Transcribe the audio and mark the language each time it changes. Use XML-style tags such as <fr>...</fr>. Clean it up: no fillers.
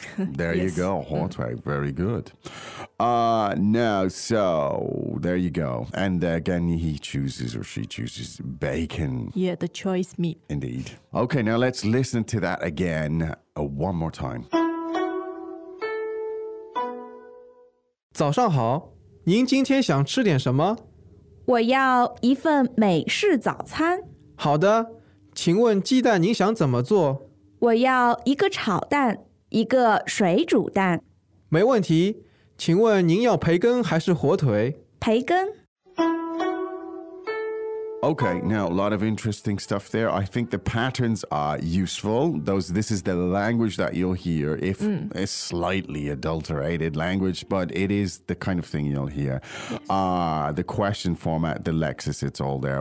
<en>There you go, 火腿.Very good. There you go. And again, he chooses or she chooses bacon. Yeah, the choice meat. Indeed. Okay, now let's listen to that again one more time.</en> <zh>早上好，您今天想吃点什么？我要一份美式早餐。好的，请问鸡蛋您想怎么做？我要一个炒蛋，一个水煮蛋。没问题，请问您要培根还是火腿？培根。</zh> <en>Okay, now a lot of interesting stuff there. I think the patterns are useful. This is the language that you'll hear if it's slightly adulterated language, but it is the kind of thing you'll hear. The question format, the lexis, it's all there.</en>